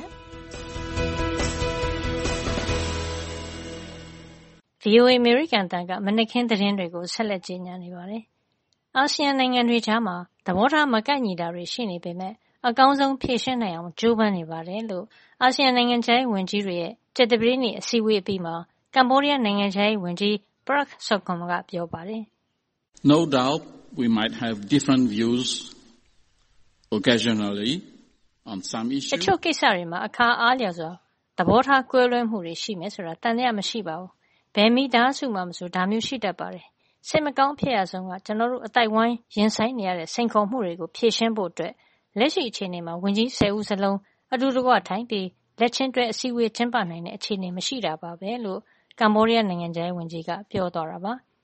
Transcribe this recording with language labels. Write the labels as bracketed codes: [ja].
[my] VOA American တန်ကမနေ့ခင်းသတင်းတွေကိုဆက်လက်ကြီးညာနေပါတယ်အာရှနိုင်ငံတွေကြားမှာသဘောထားမကန့်ညီတာတွေရှိနေပေမဲ့အကောင်းဆုံးဖြေရှင်းနိုင်အောင်ကြိုးပမ်းနေပါတယ်လို့အာဆီယံနိုင်ငံခြားရေးဝန်ကြီးတွေရဲ့ချက်တပြေးနေအစည်းအဝေးအပြီးမှာကမ္ဘောဒီးယားနိုင်ငံခြားရေးဝန်ကြီးပရက်ဆော့ကွန်ကပြောပါတယ် [en] No doubt we might have different views occasionally on some issues [my] အချို့ကိစ္စတွေမှာအခါအားလျော်စွာသဘောထားကွဲလွဲမှုတွေရှိမယ်ဆိုတာတန်လျာမရှိပါဘူးဘယ်မိသားစုမှမဆိုဒါမျိုးရှိတတ်ပါတယ်စိတ်မကောင်းဖြစ်ရဆုံးကကျွန်တော်တို့အတိုက်ဝိုင်းရင်ဆိုင်နေရတဲ့စိန်ခေါ်မှုတွေကိုဖြေရှင်းဖို့အတွက်လက်ရှိအခြေအနေမှာဝန်ကြီး10ဦးစလုံးအတူတကွထိုင်ပြီးလက်ချင်းတွဲအစည်းအဝေးကျင်းပနိုင်တဲ့အခြေအနေမရှိတာပါပဲလို့ကမ္ဘောဒီးယားနိုင်ငံခြားရေးဝန်ကြီးကပြောသွားတာပါ